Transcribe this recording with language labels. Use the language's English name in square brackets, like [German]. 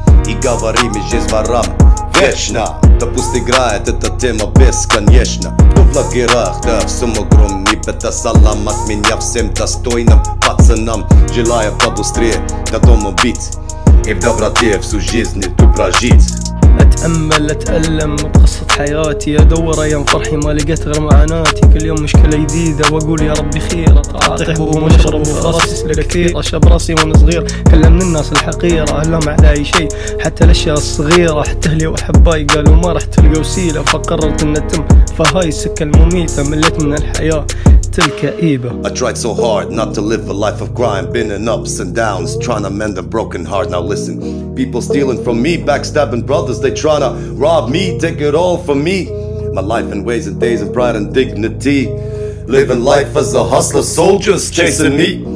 [Russian] И говорим, и жизнь ворам. Вечно! Да пусть играет эта тема бесконечно. Кто в лагерях, да всем огромный. Это салам от меня всем достойным пацанам. Желаю побыстрее до дома бить и в доброте всю жизнь эту прожить. [Arabic] أتأمل أتألم قصة حياتي أدور أيام فرحي ما لقيت غير معاناتي كل يوم مشكلة جديدة وأقول يا ربي خير أعطي حبوب ومشرب وفراسي سلك كثير أشب راسي وأنا صغير كلم الناس الحقيرة أهلهم على أي شيء حتى الأشياء الصغيرة حتى أهلي وأحبائي قالوا ما رح تلقى وسيلة فقررت أن أتم فهاي السكة المميتة مليت من الحياة [English] I tried so hard not to live a life of crime, been in ups and downs, trying to mend a broken heart. Now listen, people stealing from me, backstabbing brothers, they trying to rob me, take it all from me. My life in ways and days of pride and dignity, living life as a hustler, soldiers chasing me.